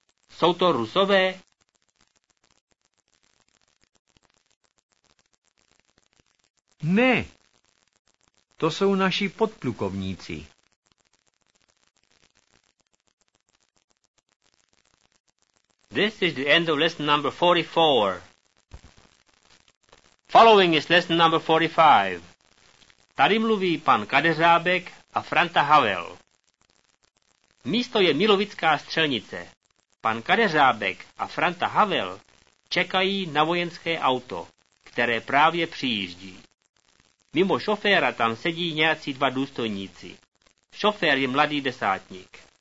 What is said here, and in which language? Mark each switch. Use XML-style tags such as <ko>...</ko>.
<cs>Jsou to Rusové? Ne. Ne, to jsou naši podplukovníci.</cs> <en>This is the end of lesson number 44. Following is lesson number 45.</en> <cs>Tady mluví pan Kadeřábek a Franta Havel. Místo je Milovická střelnice. Pan Kadeřábek a Franta Havel čekají na vojenské auto, které právě přijíždí. Mimo šoféra tam sedí nějací dva důstojníci. Šofér je mladý desátník.</cs>